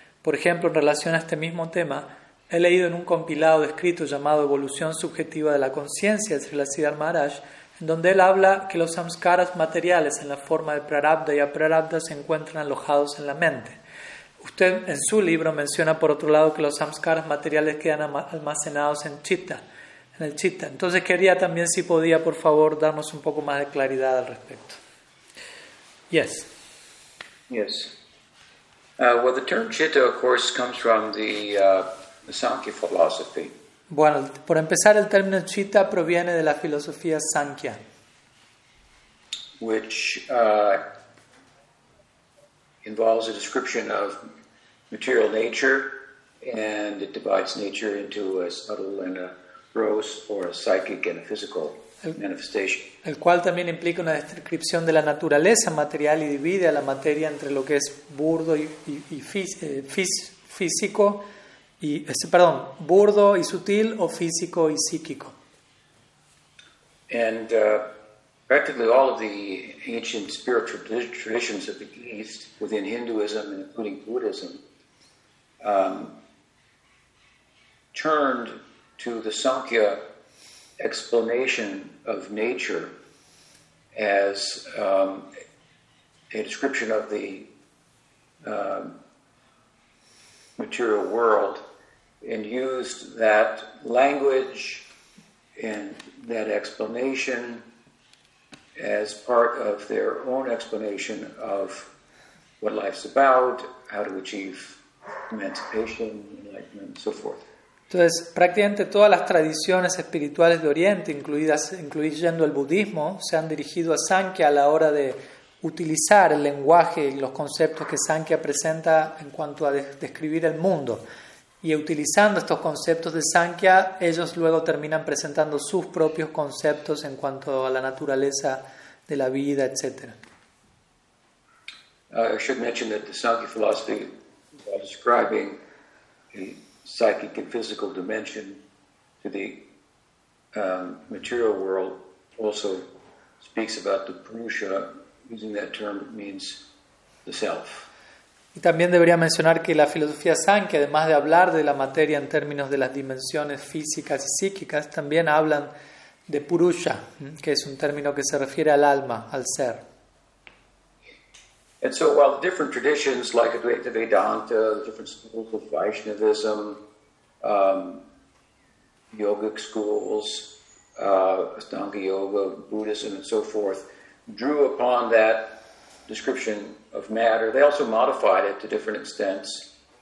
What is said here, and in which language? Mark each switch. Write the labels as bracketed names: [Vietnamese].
[Spanish] Por ejemplo, en relación a este mismo tema, he leído en un compilado de escritos llamado Evolución Subjetiva de la Conciencia, de Srila Siddhar Maharaj, en donde él habla que los samskaras materiales en la forma de prarabdha y aprarabdha se encuentran alojados en la mente. Usted en su libro menciona por otro lado que los samskaras materiales quedan almacenados en citta, en el citta. Entonces quería también si podía por favor darnos un poco más de claridad al respecto. [English] Yes. Yes. Well, the term citta, of course, comes from the Sankhya philosophy. [Spanish] Bueno, por empezar, el término citta proviene de la filosofía Sankhya. [English] Which involves a description of material nature, and it divides nature into a subtle and a gross, or a psychic and a physical manifestation. [Spanish] El cual también implica una descripción de la naturaleza material y divide a la materia entre lo que es burdo y físico y perdón, burdo y sutil o físico y psíquico. [English] And practically all of the ancient spiritual traditions of the East, within Hinduism and including Buddhism, turned to the Sankhya explanation of nature as a description of the material world, and used that language and that explanation as part of their own explanation of what life's about, how to achieve emancipation, enlightenment, and so forth. [Spanish] Entonces, prácticamente todas las tradiciones espirituales de Oriente, incluyendo el budismo, se han dirigido a Sankhya a la hora de utilizar el lenguaje y los conceptos que Sankhya presenta en cuanto a describir el mundo. Y utilizando estos conceptos de Sankhya, ellos luego terminan presentando sus propios conceptos en cuanto a la naturaleza de la vida, etc. [English] I should mention that the Sankhya philosophy is describing the psychic and physical dimension to the material world, also speaks about the Purusha. Using that term, it means the self. [Spanish] Y también debería mencionar que la filosofía Sankhya, además de hablar de la materia en términos de las dimensiones físicas y psíquicas, también hablan de Purusha, que es un término que se refiere al alma, al ser. [English] And so while different traditions like Advaita Vedanta, different schools of Vaishnavism, yogic schools, Ashtanga Yoga, Buddhism, and so forth, drew upon that description of matter, they also modified it to different extents,